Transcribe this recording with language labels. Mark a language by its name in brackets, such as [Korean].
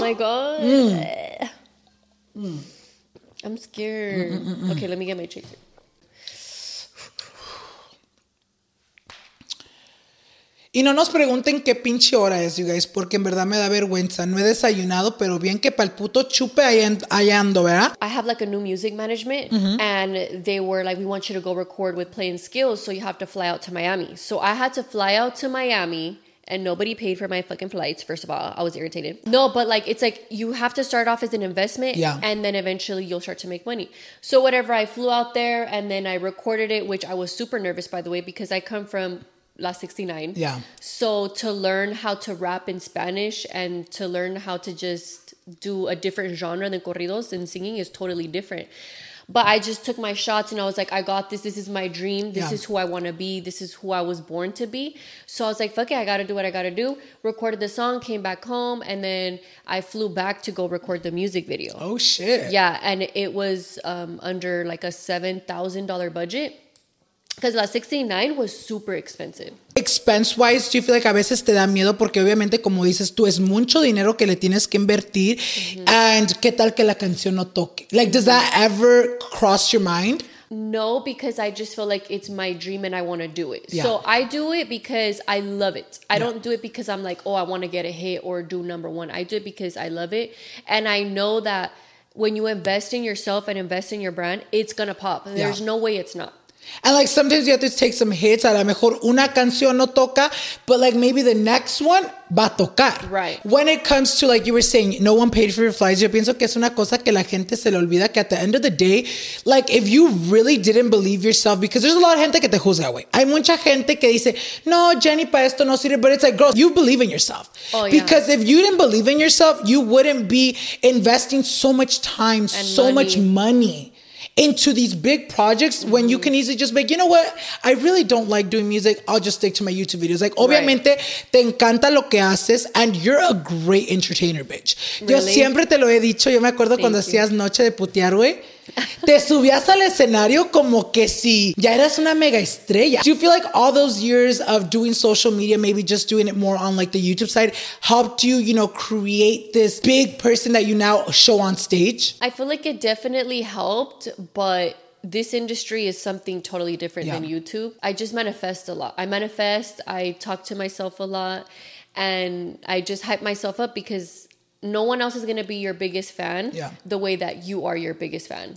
[English] Oh, my God. Mm. I'm scared. Okay, let me get my chaser. [Spanish] Y no nos pregunten qué pinche hora es, [English] you guys, [Spanish] porque en verdad me da vergüenza. No he desayunado, pero bien que pa'l puto chupe allá ando, ¿verdad? [English] I have like a new music management, and they were like, we want you to go record with Playing Skills, so you have to fly out to Miami. So I had to fly out to Miami, and nobody paid for my fucking flights, first of all. I was irritated. No, but like, it's like, you have to start off as an investment, and then eventually you'll start to make money. So whatever, I flew out there, and then I recorded it, which I was super nervous, by the way, because I come from La 69. Yeah. So to learn how to rap in Spanish and to learn how to just do a different genre than corridos and singing is totally different. But I just took my shots and I was like, I got this. This is my dream. This is who I want to be. This is who I was born to be. So I was like, fuck it. I got to do what I got to do. Recorded the song, came back home. And then I flew back to go record the music video. Oh, shit. Yeah. And it was under like a $7,000 budget. Because La 69 was super expensive. Expense-wise, do you feel like [Spanish] a veces te da miedo? Porque obviamente, como dices tú, es mucho dinero que le tienes que invertir. Mm-hmm. And qué tal que la canción no toque? Like, does that ever cross your mind? [English] No, because I just feel like it's my dream and I want to do it. Yeah. So I do it because I love it. I don't do it because I'm like, oh, I want to get a hit or do number one. I do it because I love it. And I know that when you invest in yourself and invest in your brand, it's going to pop. There's no way it's not. And like sometimes you have to take some hits. [Spanish] A lo mejor una canción no toca, [English] but like maybe the next one [Spanish] va a tocar. [English] Right. When it comes to like you were saying, no one paid for your flights. [Spanish] Yo pienso que es una cosa que la gente se le olvida que [English] at the end of the day, like if you really didn't believe yourself, because there's a lot of [Spanish] gente que te juzga, güey. Hay mucha gente que dice, no, Jenny, pa esto no sirve. [English] But it's like, girl, you believe in yourself. Oh, yeah. Because if you didn't believe in yourself, you wouldn't be investing so much time, and so money. Much money. Into these big projects when you can easily just be like, you know what? I really don't like doing music. I'll just stick to my YouTube videos. Like, [Spanish] obviamente, te encanta lo que haces [English] and you're a great entertainer, bitch. Really? [Spanish] Yo siempre te lo he dicho. Yo me acuerdo cuando hacías Noche de Putear, güey. Te subías al escenario como que si ya eras una mega estrella. [English] Do you feel like all those years of doing social media, maybe just doing it more on like the YouTube side, helped you, you know, create this big person that you now show on stage? I feel like it definitely helped, but this industry is something totally different than YouTube. I just manifest a lot. I manifest, I talk to myself a lot, and I just hype myself up because no one else is going to be your biggest fan the way that you are your biggest fan.